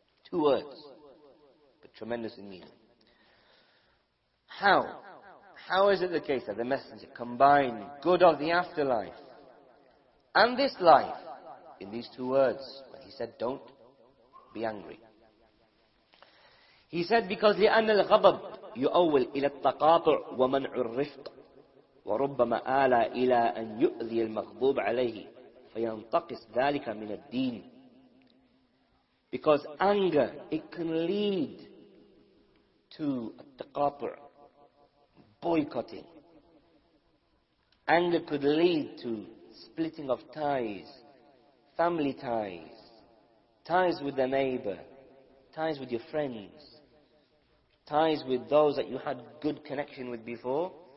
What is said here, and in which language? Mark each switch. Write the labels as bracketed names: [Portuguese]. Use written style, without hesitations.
[English] Two words, but tremendous in meaning. How? How is it the case that the Messenger combined good of the afterlife and this life in these two words when he said, don't be angry? He said, because [Arabic] لِأَنَّ الْغَبَبْ يُؤَوَّلْ إِلَى التَّقَاطُعْ وَمَنْعُ الرِّفْقِ وَرُبَّمَا آلَى إِلَىٰ أَنْ يُؤْذِيَ الْمَغْضُوبَ عَلَيْهِ فَيَنْتَقِسْ ذَلِكَ مِنَ الدِّينِ. [English] Because anger, it can lead to التَّقَاطُعْ, boycotting. Anger could lead to splitting of ties, family ties, ties with the neighbor, ties with your friends, ties with those that you had good connection with before.